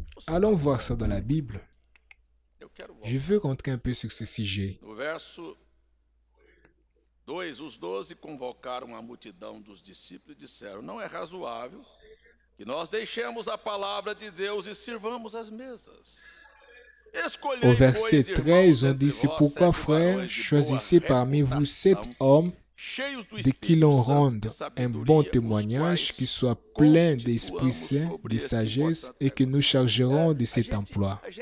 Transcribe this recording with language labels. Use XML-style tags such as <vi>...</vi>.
<fr>Allons voir ça dans la Bible. Je veux rentrer un peu sur ce sujet.</fr> <pt>Verso 2, os 12 convocaram a multidão dos discípulos e disseram, não é razoável que nós deixemos a palavra de Deus e sirvamos as mesas.</pt> <fr>Au verset 13, on dit, c'est pourquoi, frères, choisissez parmi vous sept hommes de qui l'on rende un bon témoignage, qui soit plein d'Esprit Saint, de sagesse, et que nous chargerons de cet emploi.</fr>